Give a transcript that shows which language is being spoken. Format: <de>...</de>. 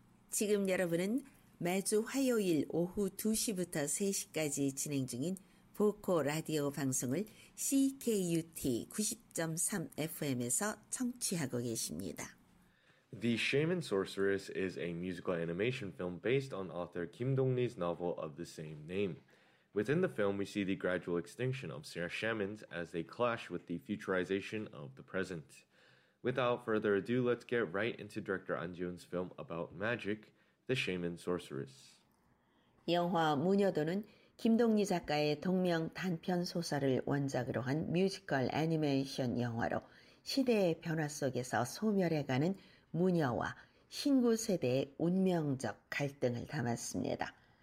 <ko>지금 여러분은 매주 화요일 오후 2시부터 3시까지 진행 중인 보코 라디오 방송을 CKUT 90.3 FM에서 청취하고 계십니다.</ko> <en>The Shaman Sorceress is a musical animation film based on author Kim Dong-ri's novel of the same name. Within the film, we see the gradual extinction of shamans as they clash with the futurization of the present. Without further ado, let's get right into director An Ji-hoon's film about magic, The Shaman Sorceress.</en> <ko>영화 무녀도는 김동리 작가의 동명 단편 소설을 원작으로 한 뮤지컬 애니메이션 영화로 시대의 변화 속에서 소멸해가는 무녀와 신구 세대의 운명적 갈등을 담았습니다.</ko>